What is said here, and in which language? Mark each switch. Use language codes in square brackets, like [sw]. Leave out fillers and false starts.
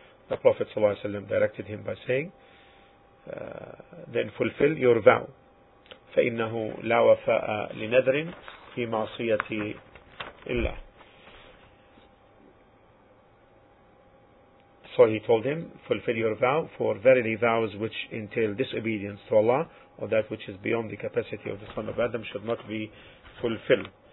[en] The Prophet صلى الله عليه وسلم directed him by saying, then fulfill your vow. [ar] فإنه لا وفاء لنذر في معصية الله. [en] So he told him, fulfill your vow, for verily vows which entail disobedience to Allah, or that which is beyond the capacity of the son of Adam, should not be fulfilled.